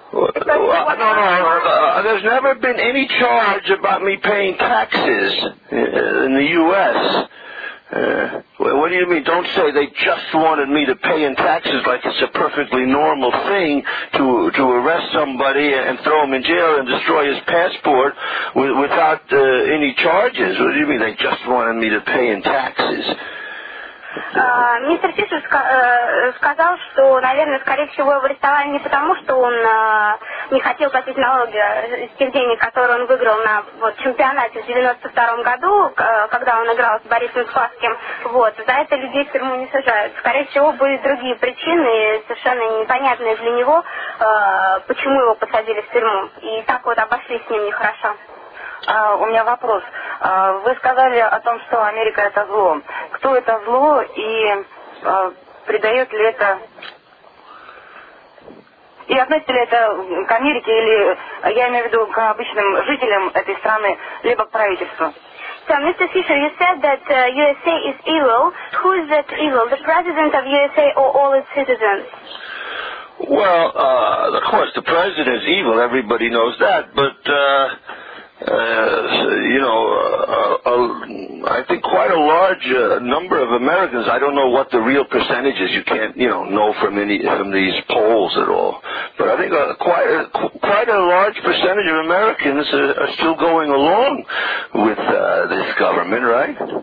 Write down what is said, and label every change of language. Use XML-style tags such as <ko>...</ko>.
<en>No, there's never been any charge about me paying taxes in the U.S. What do you mean? Don't say they just wanted me to pay in taxes like it's a perfectly normal thing to arrest somebody and throw him in jail and destroy his passport without any charges. What do you mean they just wanted me to pay in taxes?</en> <ru>Мистер Фишер сказал, что, наверное, скорее всего, его арестовали не потому, что он не хотел платить налоги с тех денег, которые он выиграл на вот, чемпионате в 92-м году, когда он играл с Борисом Спасским. Вот. За это людей в тюрьму не сажают. Скорее всего, были другие причины, совершенно непонятные для него, почему его посадили в тюрьму. И так вот обошлись с ним нехорошо. У меня вопрос. Вы сказали о том, что Америка – это зло. Кто это зло и предает ли это... И относится ли это к Америке или, я имею в виду, к обычным жителям этой страны, либо к правительству?</ru> <en>So, Mr. Fisher, you said that USA is evil. Who is that evil? The president of USA or all its citizens? Well, of course, the president is evil. Everybody knows that. But... I think quite a large number of Americans, I don't know what the real percentage is, you can't, you know from these polls at all, but I think quite a large percentage of Americans are still going along with this government, right?</en>